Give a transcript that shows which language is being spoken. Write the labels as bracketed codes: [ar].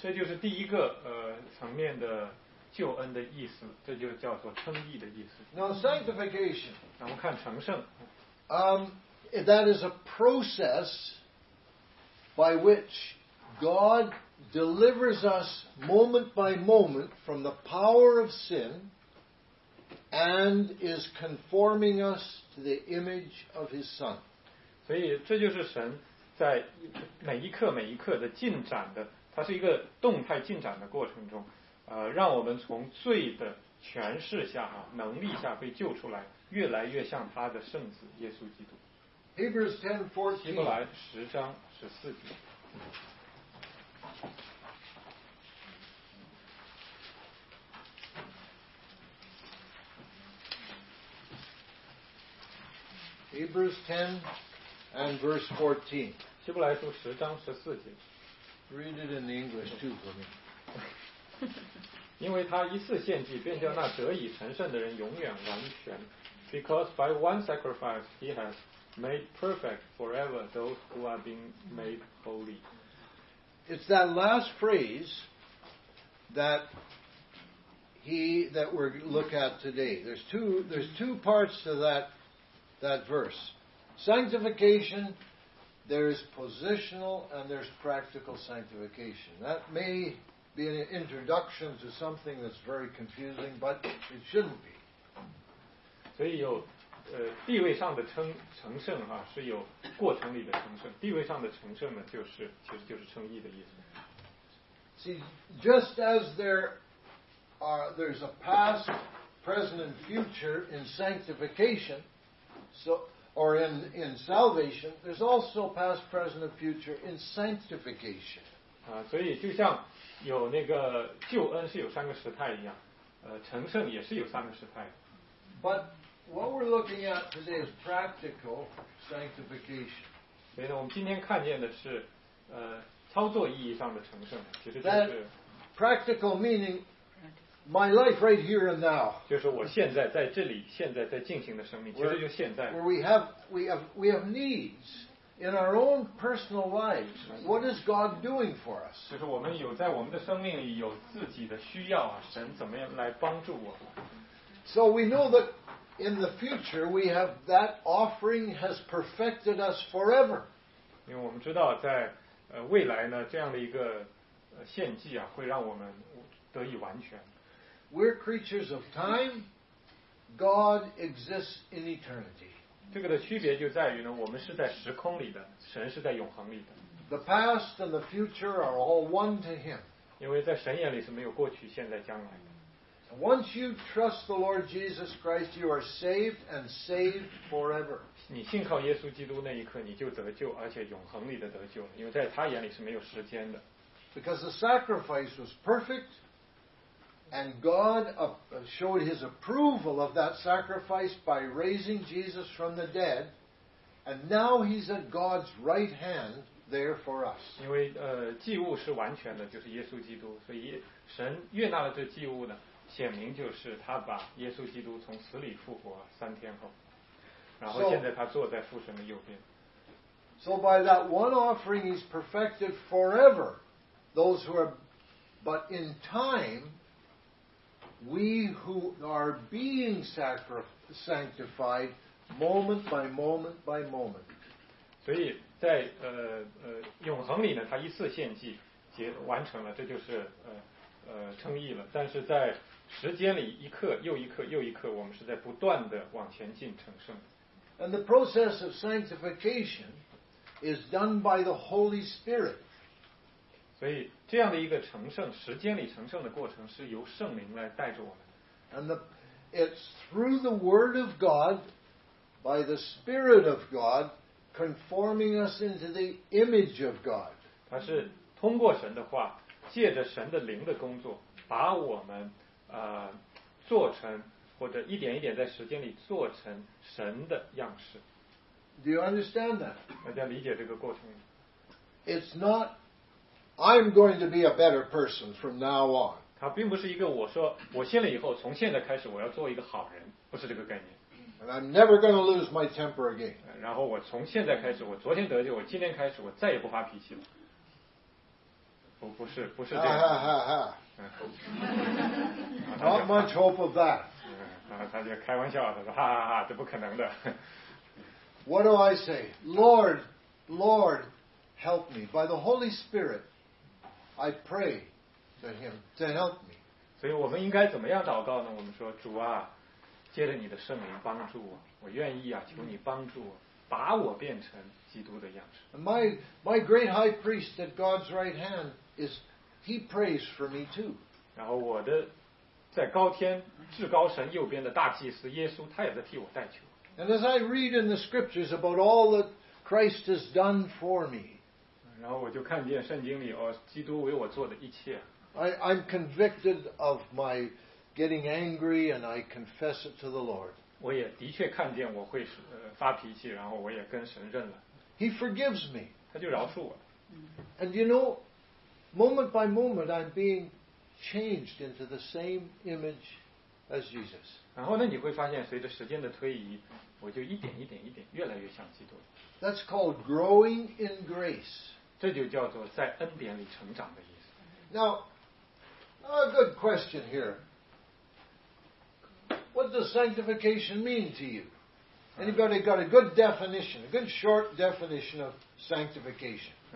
[zh] 这就是第一个层面的救恩的意思，这就叫做称义的意思。 [en] Now sanctification. [zh] 然后看成圣。 [en] That is a process by which God delivers us moment by moment from the power of sin and is conforming us to the image of His Son. [zh] 所以这就是神在每一刻每一刻的进展的，它是一个动态进展的过程中，让我们从罪的权势下、能力下被救出来，越来越像他的圣子耶稣基督。 [en] Hebrews 10:14. [zh] 希伯来十章十四节。 [en] Hebrews 10:14. [zh] 希伯来书十章十四节。 [en] Read it in the English too for me. [zh] 因为他一次献祭，便叫那得以成圣的人永远完全。 [en] Because by one sacrifice he has made perfect forever those who are being made holy. It's that last phrase that we're look at today. There's two parts to that verse. Sanctification, there's positional and there's practical sanctification. That may be an introduction to something that's very confusing, but it shouldn't be. [zh] 所以有地位上的成圣啊，是有过程里的成圣。地位上的成圣呢，其实就是称义的意思。 [en] See, just as there's a past, present, and future in sanctification, in salvation, there's also past, present, and future in sanctification. [zh] 所以就像有那个救恩是有三个时态一样，成圣也是有三个时态。 [en] But what we're looking at today is practical sanctification. [zh] 所以呢，我们今天看见的是，操作意义上的成圣，其实就是。 [en] Practical meaning my life right here and now. [zh] 就是我现在在这里，现在在进行的生命，其实就现在。 [en] Where we have needs. In our own personal lives, what is God doing for us? [zh] 就是我们有在我们的生命里有自己的需要啊，神怎么样来帮助我？ [en] So we know that in the future we have that offering has perfected us forever. [zh] 因为我们知道在未来呢，这样的一个献祭啊，会让我们得以完全。 [en] We're creatures of time. God exists in eternity. [zh] 这个的区别就在于呢，我们是在时空里的，神是在永恒里的。 [en] The past and the future are all one to Him. [zh] 因为在神眼里是没有过去、现在、将来的。 [en] Once you trust the Lord Jesus Christ, you are saved and saved forever. [zh] 你信靠耶稣基督那一刻，你就得救，而且永恒里的得救，因为在他眼里是没有时间的。 [en] Because the sacrifice was perfect. And God showed His approval of that sacrifice by raising Jesus from the dead, and now He's at God's right hand there for us. [zh] 因为祭物是完全的，就是耶稣基督，所以神悦纳了这祭物呢，显明就是他把耶稣基督从死里复活三天后，然后现在他坐在父神的右边。 [en] So by that one offering, He's perfected forever those who are, but in time. We who are being sanctified moment by moment by moment. [zh] 所以在永恒里呢，他一次献祭结完成了，这就是称义了。但是在时间里，一刻又一刻又一刻，我们是在不断的往前进成圣。 [en] And the process of sanctification is done by the Holy Spirit. [zh] 所以这样的一个成圣，时间里成圣的过程是由圣灵来带着我们。 [en] And it's through the Word of God, by the Spirit of God, conforming us into the image of God. [zh] 它是通过神的话，借着神的灵的工作，把我们做成或者一点一点在时间里做成神的样式。 [en] Do you understand that? [zh] 大家理解这个过程吗 [en] ？It's not. I'm going to be a better person from now on. [zh] 它并不是一个我说我信了以后，从现在开始我要做一个好人，不是这个概念。 [en] And I'm never going to lose my temper again. [zh] 然后我从现在开始，我昨天得救，我今天开始，我再也不发脾气了。不是这样。 [en] 哈哈哈。Not much hope of that. [zh] 然后他就开玩笑，他说哈哈哈，这不可能的。 [en] What do I say, Lord, Lord, help me by the Holy Spirit. I pray to Him to help me. [zh] 所以我们应该怎么样祷告呢？我们说，主啊，借着你的圣灵帮助我，我愿意啊，求你帮助我，把我变成基督的样式。 [en] My great high priest at God's right hand is he prays for me too. [zh] 然后我的在高天至高神右边的大祭司耶稣，他也在替我代求。 [en] And as I read in the scriptures about all that Christ has done for me. [zh] 然后我就看见圣经里哦，基督为我做的一切。 [en] I'm convicted of my getting angry, and I confess it to the Lord. [zh] 我也的确看见我会发脾气，然后我也跟神认了。 [en] He forgives me. [zh] 他就饶恕我。 [en] And you know, moment by moment, I'm being changed into the same image as Jesus. [zh] 然后呢，你会发现随着时间的推移，我就一点一点一点越来越像基督。 [en] That's called growing in grace. [zh] 这就叫做在恩典里成长的意思。 [en] Now, a good question here. What does sanctification mean to you? Anybody got a good definition, a good short definition of sanctification?